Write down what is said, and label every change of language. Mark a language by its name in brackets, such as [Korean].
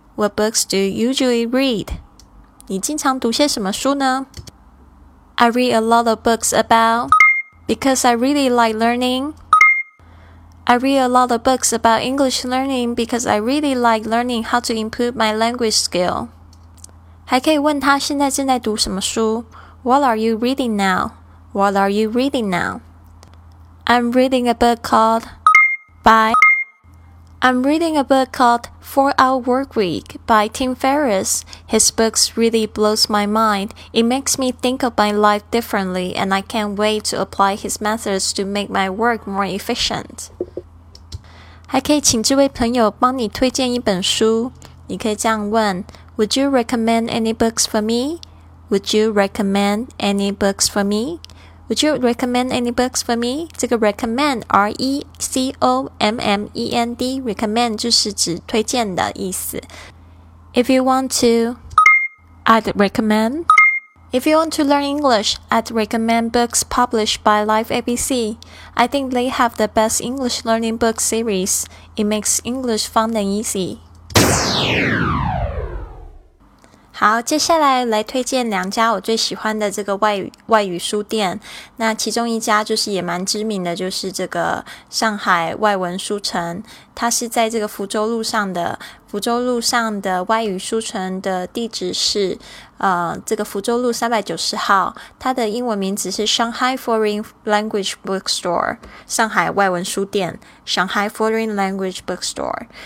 [English] What books do you usually read? [Chinese] 你经常读些什么书呢？ [English] I read a lot of books about because I really like learning. I read a lot of books about English learning because I really like learning how to improve my language skill. [Chinese] 还可以问他现在正在读什么书。 [English] What are you reading now? What are you reading now? I'm reading a book called 4-Hour Work Week by Tim Ferriss. His books really blows my mind. It makes me think of my life differently, and I can't wait to apply his methods to make my work more efficient. [Chinese] 还可以请这位朋友帮你推荐一本书。你可以这样问 [English] Would you recommend any books for me? Would you recommend any books for me? Would you recommend any books for me? 这个 recommend R-E-C-O-M-M-E-N-D recommend [Chinese] 就是指推荐的意思 [English] If you want to I'd recommend If you want to learn English, I'd recommend books published by Life ABC. I think they have the best English learning book series. It makes English fun and easy. [Chinese] 好，接下来来推荐两家我最喜欢的这个外语书店。那其中一家就是也蛮知名的，就是这个上海外文书城。它是在这个福州路上的，福州路上的外语书城的地址是这个福州路390号，它的英文名字是 Shanghai Foreign Language Bookstore， 上海外文书店 Shanghai Foreign Language Bookstore。